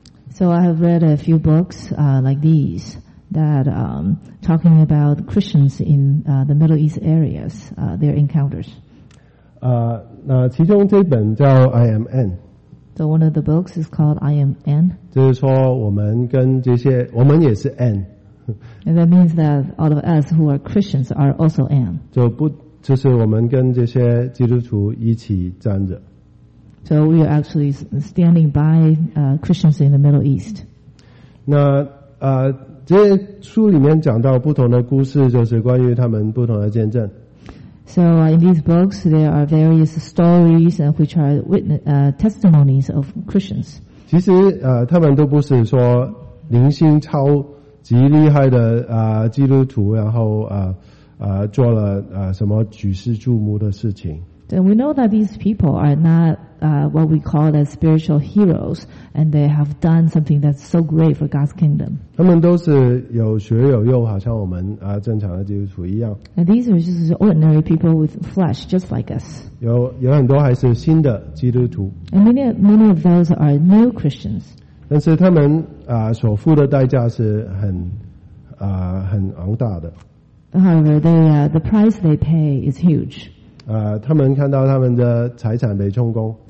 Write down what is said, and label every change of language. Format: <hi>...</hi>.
<en>So I have read a few books like these that talking about Christians in the Middle East areas, their encounters.</en> <zh>那其中这本叫 I Am N.</zh> <en>So one of the books is called I Am N.</en> <zh>就是说我们跟这些我们也是 N.</zh> <en>And that means that all of us who are Christians are also N.</en> <zh>就是我们跟这些基督徒一起站着。</zh> <en>So we are actually standing by Christians in the Middle East.</en> <zh>那这书里面讲到不同的故事，就是关于他们不同的见证。</zh> <en>So in these books, there are various stories and which are testimonies of Christians.</en> <zh>其实他们都不是说灵性超级厉害的基督徒，然后做了什么举世注目的事情。</zh> <en>And we know that these people are not what we call as spiritual heroes, and they have done something that's so great for God's kingdom.</en> <zh>他们都是有血有肉，好像我们正常的基督徒一样。</zh> <en>And these are just ordinary people with flesh, just like us.</en> <zh>有很多还是新的基督徒。</zh> <en>And many of those are new Christians.</en> <zh>但是他们所付的代价是很昂大的。</zh> <en>However, the price they pay is huge.</en> <zh>他们看到他们的财产被充公。</zh>